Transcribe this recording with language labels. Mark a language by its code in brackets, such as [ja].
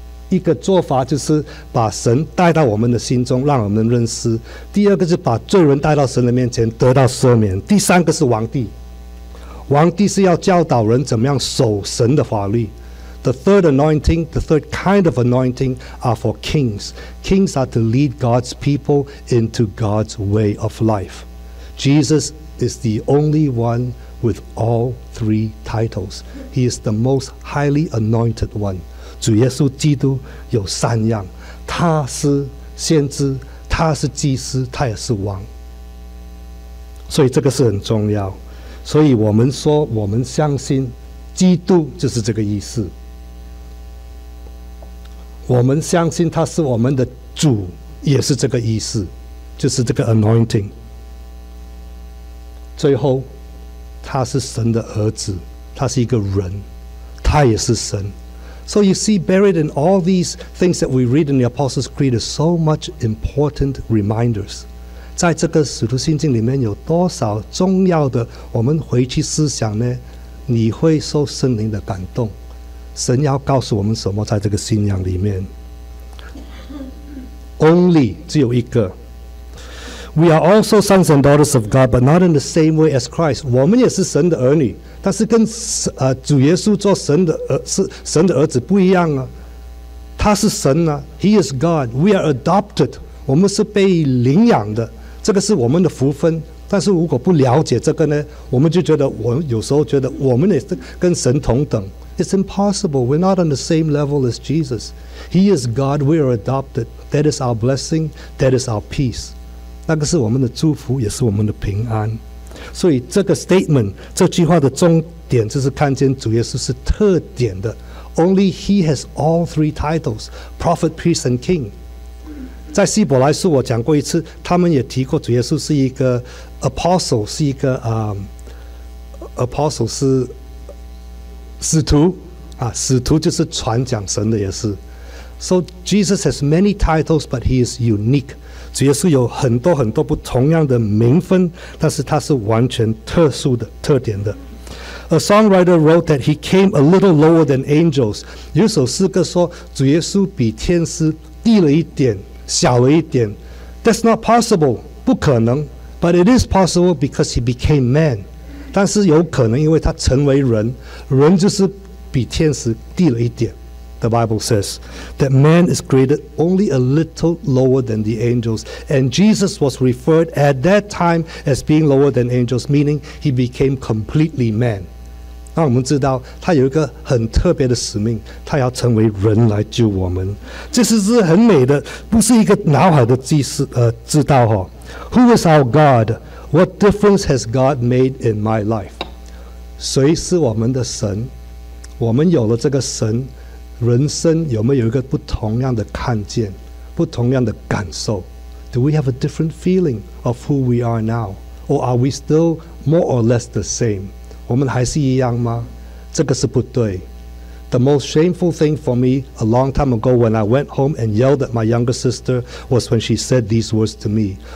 [zh] 一个做法就是把神带到我们的心中，让我们认识。第二个是把罪人带到神的面前，得到赦免。第三个是王帝。王帝是要教导人怎么样守神的法律。 [en] The third anointing, the third kind of anointing are for kings. Kings are to lead God's people into God's way of life. Jesus is the only one with all three titles. He is the most highly anointed one. [zh] 主耶稣基督有三样，他是先知，他是祭司，他也是王。所以这个是很重要。所以我们说，我们相信基督就是这个意思。我们相信他是我们的主，也是这个意思，就是这个 anointing。最后，他是神的儿子，他是一个人，他也是神。 [en] So you see, buried in all these things that we read in the Apostles' Creed is so much important reminders. [zh] 在这个使徒信经里面有多少重要的，我们回去思想呢？你会受圣灵的感动，神要告诉我们什么在这个信仰里面。 Only, 只有一个。 [en] We are also sons and daughters of God, but not in the same way as Christ. [zh] 我们也是神的儿女，但是跟主耶稣做神的儿子不一样啊。他是神啊， [en] He is God. We are adopted. [zh] 我们是被领养的，这个是我们的福分。但是如果不了解这个呢，我们就觉得我有时候觉得我们也是跟神同等。 [en] It's impossible. We're not on the same level as Jesus. He is God. We are adopted. That is our blessing. That is our peace. [zh] 那个是我们的祝福，也是我们的平安。所以这个 statement 这句话的重点就是看见主耶稣是特点的。 [en] Only He has all three titles: Prophet, Priest, and King. [zh] 在希伯来书我讲过一次，他们也提过主耶稣是一个 apostle， 是一个apostle 是使徒啊，使徒就是传讲神的也是。 [en] So Jesus has many titles, but He is unique. [zh] 主耶稣有很多很多不同样的名分，但是他是完全特殊的特点的。 [en] A songwriter wrote that he came a little lower than angels. [zh] 有首诗歌说主耶稣比天使低了一点，小了一点。 [en] That's not possible, [zh] 不可能。 [en] But it is possible because he became man. [zh] 但是有可能因为他成为人，人就是比天使低了一点。 The Bible says that man is graded only a little lower than the angels. And Jesus was referred at that time as being lower than angels, meaning he became completely man. 那我们知道他有一个很特别的使命，他要成为人来救我们。这是很美的，不是一个脑海的知道哦。 [en] Who is our God? What difference has God made in my life? [zh] 谁是我们的神？我们有了这个神，人生有没有一个不同样的看见，不同样的感受？ [en] Do we have a different feeling of who we are now? Or are we still more or less the same? [zh] 我们还是一样吗？这个是不对。 [en] The most shameful thing for me a long time ago when I went home and yelled at my younger sister was when she said these words to me.